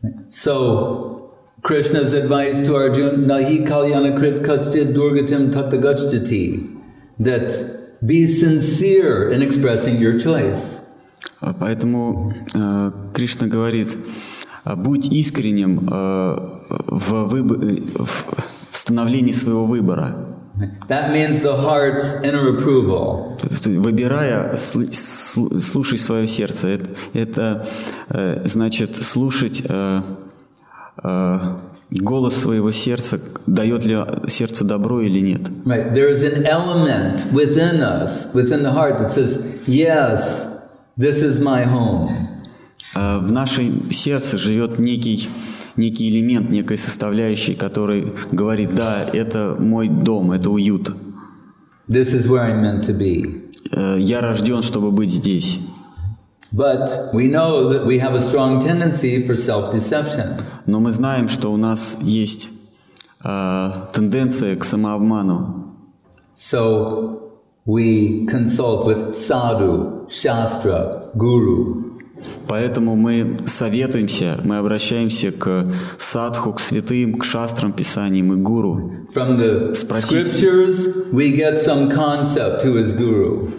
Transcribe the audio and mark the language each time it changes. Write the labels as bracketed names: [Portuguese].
[English] So, Krishna's advice to Arjuna, [Sanskrit] Nahi kalyana krit kaschid durgatim tata gacchati, [English] that be sincere in expressing your choice. [Russian] Поэтому Кришна говорит, будь искренним в становлении своего выбора. [English] That means the heart's inner approval. [Russian] Выбирая, слушай свое сердце. Это значит слушать голос своего сердца, дает ли сердце добро или нет. [English] Right. There is an element within us, within the heart, that says, yes, this is my home. [Russian] В нашем сердце живет некий элемент, некая составляющая, который говорит, да, это мой дом, это уют. [English] This is where I'm meant to be. [Russian] Я рожден, чтобы быть здесь. [English] But we know that we have a strong tendency for self-deception. [Russian] Но мы знаем, что у нас есть тенденция к самообману. [English] So we consult with sadhu, shastra, guru. [Russian] Поэтому мы советуемся, мы обращаемся к садху, к святым, к шастрам, писаниям и гуру. [English] From the scriptures we get some concept who is guru.